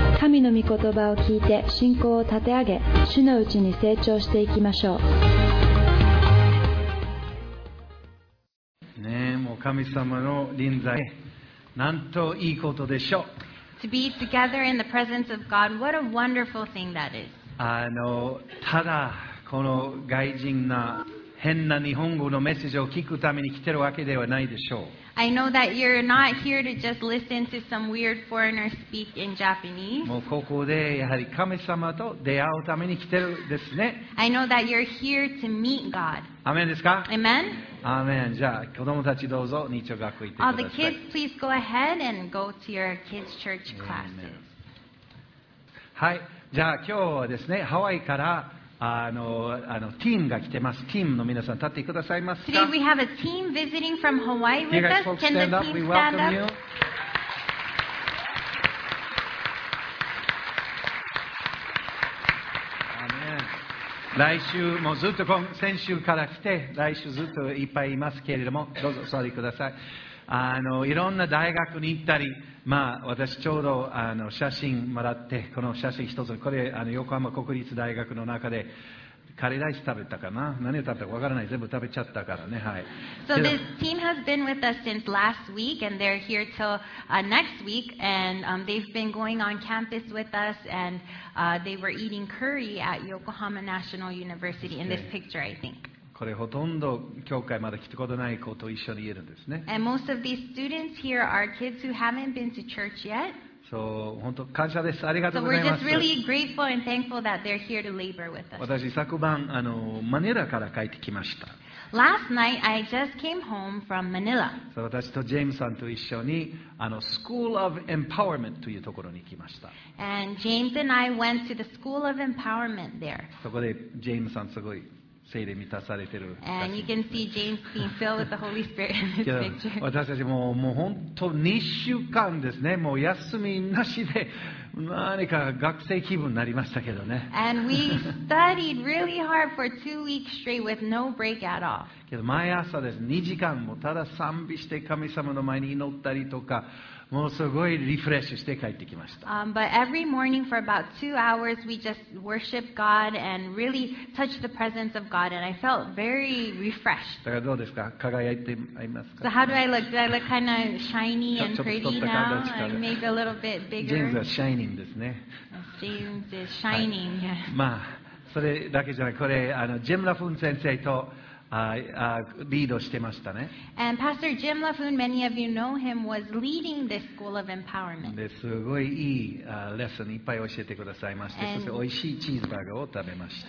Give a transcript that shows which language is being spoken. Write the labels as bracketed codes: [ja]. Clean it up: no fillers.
[ja] 神の御言葉を聞いて信仰を立て上げ、主のうちに成長していきましょう。ねえ、もう神様の臨在、なんといいことでしょう。 [en] To be together in the presence of God, what a wonderful thing that is. [ja] ただこの外人な変な日本語のメッセージを聞くために来てるわけではないでしょう。 [en] I know that you're not here to just listen to some weird foreigner speak in Japanese. [ja] もうここでやはり神様と出会うために来てるですね。 [en] I know that you're here to meet God. [ja] アメンですか？ [en] Amen? Amen. [ja] じゃあ子供たちどうぞ日曜学校行ってください。 [en] All the kids, please go ahead and go to your kids' church classes. Amen. [ja] はい。じゃあ今日はですね、ハワイからあのティーンが来てます。ティーンの皆さん立ってくださいますか。 [en] Today we have a team visiting from Hawaii with us. Can the team stand up? Amen. [ja] 来週もずっと先週から来て、来週ずっといっぱいいますけれども、どうぞ座りください。いろんな大学に行ったり、まあ、私ちょうど写真もらって、この写真一つ、これ横浜国立大学の中でカレーライス食べたかな、何を食べたかわからない、全部食べちゃったからね、はい。 [en] So this team has been with us since last week and they're here till next week and they've been going on campus with us and they were eating curry at Yokohama National University in this picture, I think. [ja] これほとんど教会まだ来たことない子と一緒にいるんですね。 [en] And most of these students here are kids who haven't been to church yet. [ja] そう、本当感謝です。ありがとうござい [en] ます。So we're just really grateful and thankful that they're here to labor with us. [ja] 私昨晩マニラから帰ってきました。 [en] Last night I just came home from Manila. [ja] そう、私とジェームさんと一緒にSchool of Empowerment というところに来ました。 [en] And James and I went to the School of Empowerment there. [ja] そこでジェームさんすごい。聖霊満たされてる。 [en] And you can see James being filled with the Holy Spirit in this picture. [ja] 私たちもう本当2週間ですね。もう休みなしで何か学生気分になりましたけどね。 And we studied really hard for two weeks straight with no break at all. けど毎朝です。 2時間もただ賛美して神様の前に祈ったりとか。もうすごいリフレッシュして帰ってきました。 [en] But every morning for about two hours, we just worship God and really touch the presence of God, and I felt very refreshed. [ja] だからどうですか？輝いていますか？ [en] So how do I look? Do I look kind of shiny and pretty now? Maybe a little bit bigger. James is shining [ja] ですね。 [en] James is shining. Yes. [ja] まあそれだけじゃない。これジェムラフン先生と。リードしてましたね。 [en] And Pastor Jim LaFoon, many of you know him, was leading this School of Empowerment. [ja] ですごいいいレッスンいっぱい教えてくださいまして、そして美味しいチーズバーガーを食べました。